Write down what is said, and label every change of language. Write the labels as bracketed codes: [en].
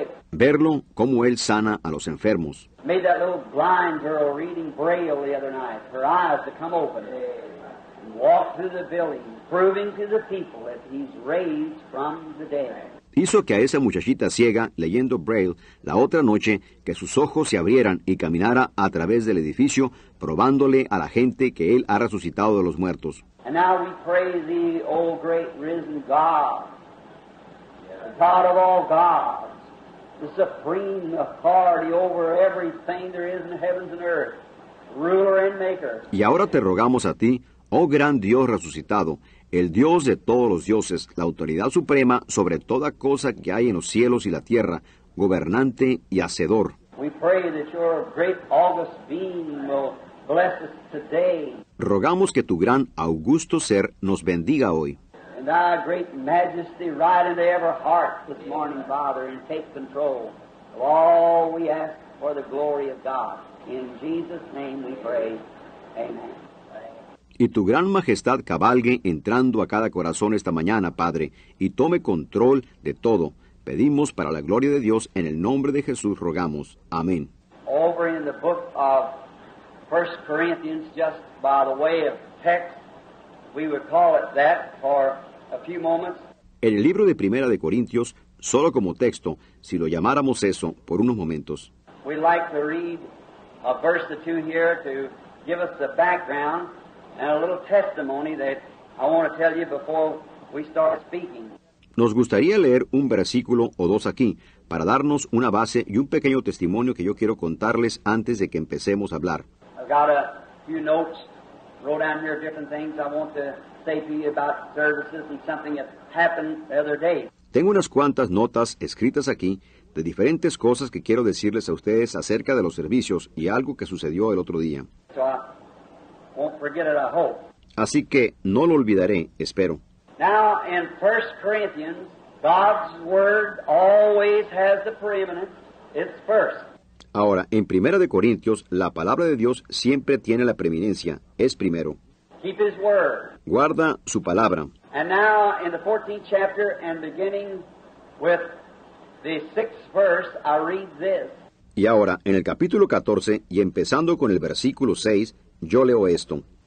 [es] Verlo cómo Él sana a los enfermos. [en] Made that little blind girl reading Braille the other night, her eyes to come open. Walked through the building, proving to the people that he's raised from the dead. [es] Hizo que a esa muchachita ciega, leyendo Braille, la otra noche, que sus ojos se abrieran y caminara a través del edificio, probándole a la gente que Él ha resucitado de los muertos. [en] And now we pray thee, O great risen God, the God of all gods, the supreme authority over everything there is in the heavens and earth, ruler and maker. [es] Y ahora te rogamos a ti, oh gran Dios resucitado, el Dios de todos los dioses, la autoridad suprema sobre toda cosa que hay en los cielos y la tierra, gobernante y hacedor. [en] We pray that your great august being will bless us today. [es] Rogamos que tu gran augusto ser nos bendiga hoy. [en] And thy great majesty ride into every heart this morning, Father, and take control of all we ask for the glory of God. In Jesus' name we pray. Amen. [es] Y tu gran majestad cabalgue entrando a cada corazón esta mañana, Padre, y tome control de todo. Pedimos para la gloria de Dios, en el nombre de Jesús rogamos. Amén. [en] Over in the book of 1 Corinthians, just by the way of text, we would call it that for a few moments. [es] En el libro de Primera de Corintios, solo como texto, si lo llamáramos eso por unos momentos. [en] We'd like to read a verse or two here to give us the background. And a little testimony that I want to tell you before we start speaking. [es] Nos gustaría leer un versículo o dos aquí para darnos una base y un pequeño testimonio que yo quiero contarles antes de que empecemos a hablar. [en] I've got a few notes, wrote down here different things I want to say to you about services and something that happened the other day. [es] Tengo unas cuantas notas escritas aquí de diferentes cosas que quiero decirles a ustedes acerca de los servicios y algo que sucedió el otro día. [en] So won't forget it, I hope. [es] Así que no lo olvidaré, espero. [en] Now in 1 Corinthians, God's word always has the preeminence. It's first. [es] Ahora, en Primera de Corintios, la palabra de Dios siempre tiene la preeminencia. Es primero. [en] Keep his word. [es] Guarda su palabra. [en] And now in the 14th chapter and beginning with the 6th verse, I read this. [es] Y ahora, en el capítulo 14 y empezando con el versículo 6, yo leo esto.